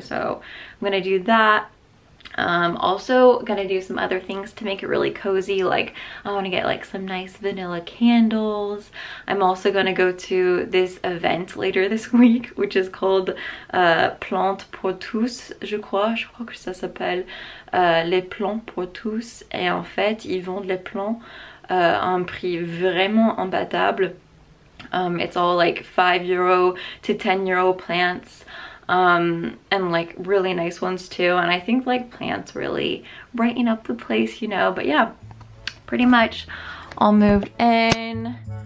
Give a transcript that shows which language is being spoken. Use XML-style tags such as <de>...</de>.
<en>So I'm gonna do that. Also gonna do some other things to make it really cozy. Like I wanna get like some nice vanilla candles. I'm also gonna go to this event later this week, which is called Plantes pour tous,</en> <fr>je crois. Je crois que ça s'appelle Les Plants pour tous. Et en fait, ils vendent les plants à un prix vraiment imbattable.</fr> <en>It's all like 5 euro to 10 euro plants. And like really nice ones too, and I think like plants really brighten up the place, you know. But yeah, pretty much all moved in.</en>